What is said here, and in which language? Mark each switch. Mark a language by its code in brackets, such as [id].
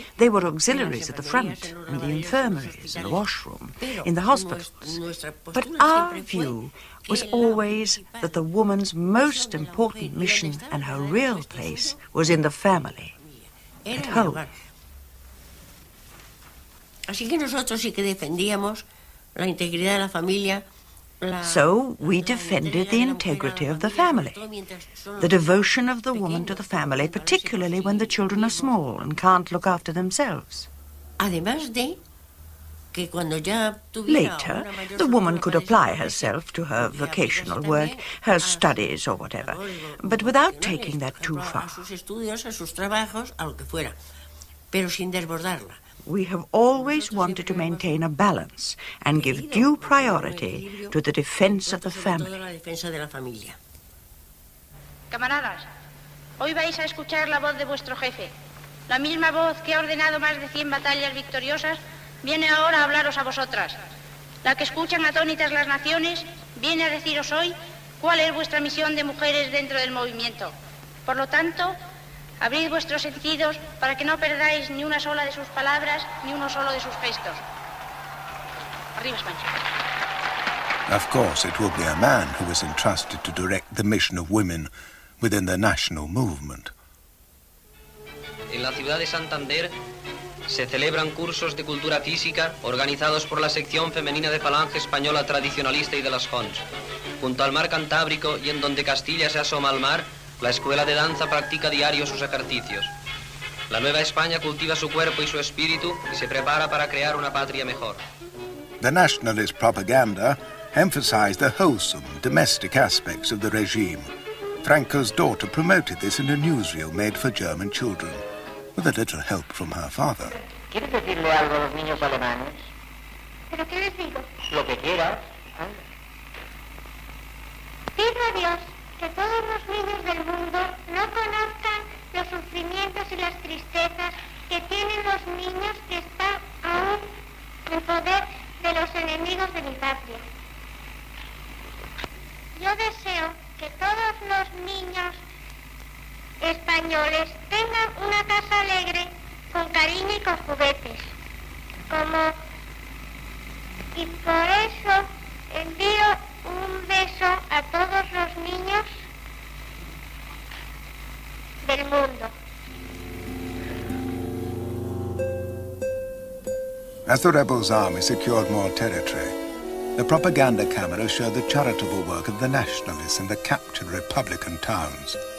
[en] They were auxiliaries at the front, in the infirmaries, in the washroom, in the hospitals. But our view was always that the woman's most important mission and her real place was in the family, at home. [es] Así que nosotros sí que defendíamos la integridad de la familia [en] So we defended the integrity of the family, the devotion of the woman to the family, particularly when the children are small and can't look after themselves. Later, the woman could apply herself to her vocational work, her studies or whatever, but without taking that too far. We have always wanted to maintain a balance and give due priority to the defense of the family. [es] Camaradas, hoy vais a escuchar la voz de vuestro jefe. La misma voz que ha ordenado más de 100 batallas victoriosas viene ahora a hablaros a vosotras. La que escuchan atónitas las naciones viene a deciros hoy cuál es vuestra misión de mujeres dentro del movimiento. Por lo tanto, abrid vuestros sentidos para que no perdáis ni una sola de sus palabras, ni uno solo de sus gestos. Arriba España. [en] Of course, it will be a man who is entrusted to direct the mission of women within the national movement. [es] En la ciudad de Santander se celebran cursos de cultura física organizados por la sección femenina de Falange Española Tradicionalista y de las CONS. Junto al mar Cantábrico y en donde Castilla se asoma al mar, la escuela de danza practica diario sus ejercicios. La Nueva España cultiva su cuerpo y su espíritu y se prepara para crear una patria mejor. [en] The nationalist propaganda emphasized the wholesome domestic aspects of the regime. Franco's daughter promoted this in a newsreel made for German children, with a little help from her father. [es] ¿Quieres decirle algo a los niños alemanes? ¿Pero qué les digo? Lo que quieras. Pido a Dios que todos los niños del mundo no conozcan los sufrimientos y las tristezas que tienen los niños que están aún en poder de los enemigos de mi patria. Yo deseo que todos los niños españoles tengan una casa alegre con cariño y con juguetes. Como... Y por eso envío un beso a todos los niños del mundo. [en] As the rebels' army secured more territory, the propaganda camera showed the charitable work of the nationalists in the captured Republican towns.